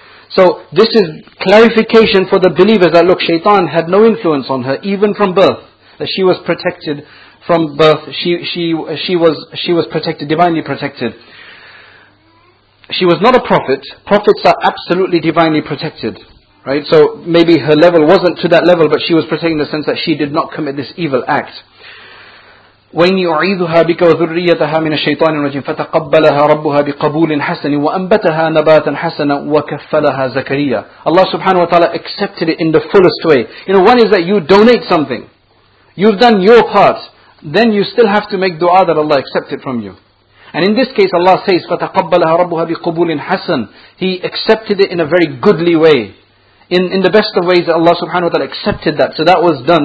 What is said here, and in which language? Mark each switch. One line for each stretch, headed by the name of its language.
English: So this is clarification for the believers that look, shaitan had no influence on her, even from birth, that she was protected from birth, she was protected, divinely protected. She was not a prophet. Prophets are absolutely divinely protected. Right? So maybe her level wasn't to that level, but she was protecting the sense that she did not commit this evil act.
Arabic: وَإِنِّي أُعِيذُهَا بِكَ وَذُرِّيَّتَهَا مِنَ الشَّيْطَانِ الرَّجِيمِ فَتَقَبَّلَهَا رَبُّهَا بِقَبُولٍ حَسَنٍ وَأَنْبَتَهَا نَبَاتًا حَسَنًا وَكَفَّلَهَا زَكَرِيَّا
English: Allah subhanahu wa ta'ala accepted it in the fullest way. You know, one is that you donate something. You've done your part. Then you still have to make dua that Allah accept it from you. And in this case, Allah says,
Arabic: فَتَقَبَّلَهَا رَبُّهَا بِقُبُولٍ حَسَنٍ
English: He accepted it in a very goodly way. In the best of ways, that Allah subhanahu wa ta'ala accepted that. So that was done.